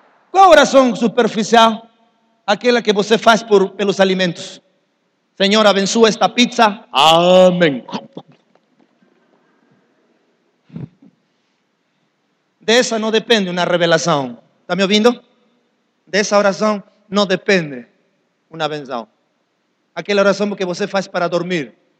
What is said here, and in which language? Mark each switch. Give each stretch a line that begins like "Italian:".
Portuguese: Qual oração superficial? Aquela que você faz pelos alimentos. Senhor, abençoa esta pizza. Amém. Dessa não depende uma revelação. Está me ouvindo?
Spanish: De esa oración no depende una bendición. Aquella oración que
Portuguese: você faz
Spanish: para dormir.